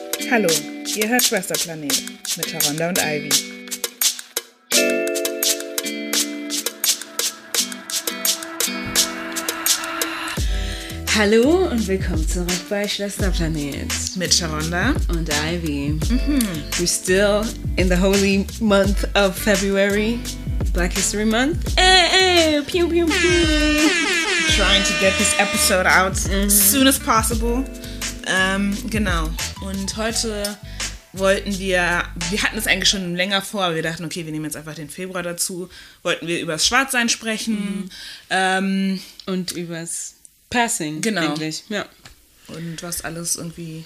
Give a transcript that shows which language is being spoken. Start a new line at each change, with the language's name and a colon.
German: Hallo, ihr hört Schwesterplanet mit Taronda und Ivy. Hallo und willkommen zurück bei Schwesterplanet. Mit Taronda und Ivy. Mhm.
English: We're still in the holy month of February, Black History Month. Pew, pew, pew. Trying to get this episode out as soon as possible.
German: Genau. Und heute wir hatten es eigentlich schon länger vor, aber wir dachten, okay, wir nehmen jetzt einfach den Februar dazu, wollten wir über das Schwarzsein sprechen. Mhm. Und übers Passing. Genau. Eigentlich. Ja. Und was alles irgendwie...